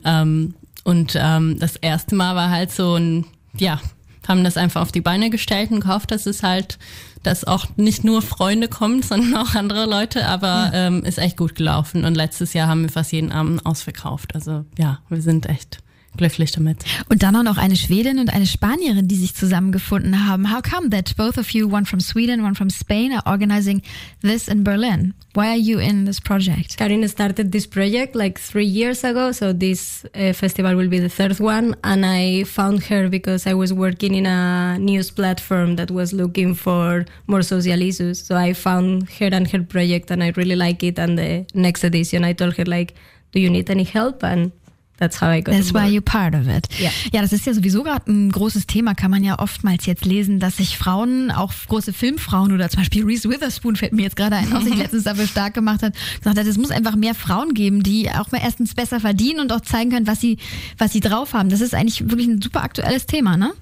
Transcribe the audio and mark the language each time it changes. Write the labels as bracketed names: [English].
[German] Das erste Mal war halt so ein, ja, haben das einfach auf die Beine gestellt und gehofft, dass es halt, dass auch nicht nur Freunde kommen, sondern auch andere Leute, aber ist echt gut gelaufen. Und letztes Jahr haben wir fast jeden Abend ausverkauft. Also ja, wir sind echt glücklich damit. Und dann auch noch eine Schwedin und eine Spanierin, die sich zusammengefunden haben. [English] How come that both of you, one from Sweden, one from Spain, are organizing this in Berlin? Why are you in this project? Karin started this project like 3 years ago, so this festival will be the third one. And I found her because I was working in a news platform that was looking for more social issues. So I found her and her project and I really like it. And the next edition, I told her like, do you need any help? And that's how I got involved. That's why you're part of it. Yeah. [German] Ja, das ist ja sowieso gerade ein großes Thema, kann man ja oftmals jetzt lesen, dass sich Frauen, auch große Filmfrauen oder zum Beispiel Reese Witherspoon fällt mir jetzt gerade ein, was sich letztens dafür stark gemacht hat, gesagt hat, es muss einfach mehr Frauen geben, die auch mal erstens besser verdienen und auch zeigen können, was sie drauf haben. Das ist eigentlich wirklich ein super aktuelles Thema, ne?